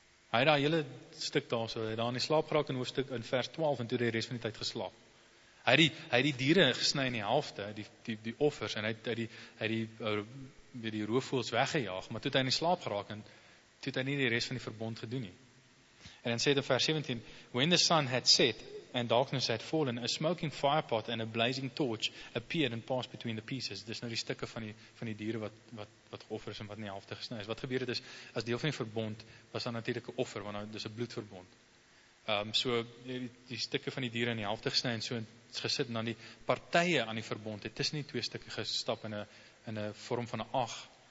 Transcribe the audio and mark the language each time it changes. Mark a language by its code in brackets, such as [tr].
[af] Hy het daar hele stuk daar, so hy het daar in die slaap geraak in hoofstuk in vers 12, en toe die res van die tyd geslaap. Hy het die diere gesny in die helfte, die offers, en hy het die roofvoels weggejaag, maar toe het hy in die slaap geraak, en toe het hy nie die res van die verbond gedoen nie. En dan sê het in vers 17, [en] when the sun had set, and darkness had fallen, a smoking firepot and a blazing torch appeared and passed between the pieces. [af] Dis nou die stukke van die diere wat geoffer is en wat in die helfte gesny is. Wat gebeur het is, as deel van die verbond, was daar natuurlik 'n offer, want nou, dis 'n bloedverbond. So die stukke van die diere in die helfte gesny en so gesit, en dan die partye aan die verbond het tussen die twee stukke gestap in 'n vorm van 'n ag.